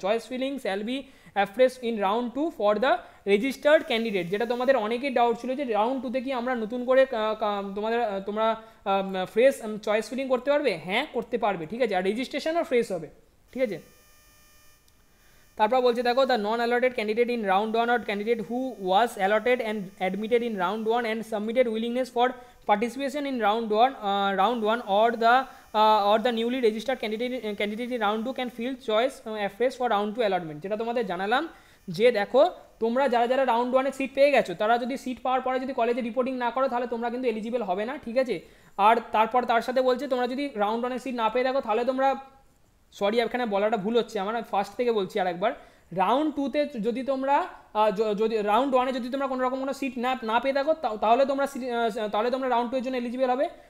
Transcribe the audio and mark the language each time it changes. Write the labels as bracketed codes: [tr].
[en] choice filling shall be afresh in round two for the registered candidate, [bn] যেটা তোমাদের অনেকেই doubt ছিল যে রাউন্ড টুতে কি আমরা নতুন করে তোমরা ফ্রেশ চয়েস ফিলিং করতে পারবে, হ্যাঁ করতে পারবে, ঠিক আছে, আর রেজিস্ট্রেশনও ফ্রেশ হবে, ঠিক আছে। তারপর বলছে দেখো [en] The non allotted candidate in round one or candidate who was allotted and admitted in round one and submitted willingness for participation in round one or the or the newly registered candidate in round 2 can field choice FS for round 2 allotment. [bn] যেটা তোমাদের জানালাম যে দেখো তোমরা যারা যারা round 1 a seat পেয়ে গেছো তারা যদি সিট পাওয়ার পরে যদি কলেজে রিপোর্টিং না করো তাহলে তোমরা কিন্তু এলিজিবল হবে না, ঠিক আছে? আর তারপর তার সাথে বলছে তোমরা যদি রাউন্ড 1 এ সিট না পেয়ে থাকো তাহলে তোমরা, সরি এখানে বলাটা ভুল হচ্ছে আমার, ফার্স্ট থেকে বলছি আরেকবার, রাউন্ড 2 তে যদি তোমরা যদি রাউন্ড 1 এ যদি তোমরা কোনো রকম কোনো সিট না পেয়ে থাকো তাহলে তোমরা রাউন্ড 2 এর জন্য এলিজিবল হবে।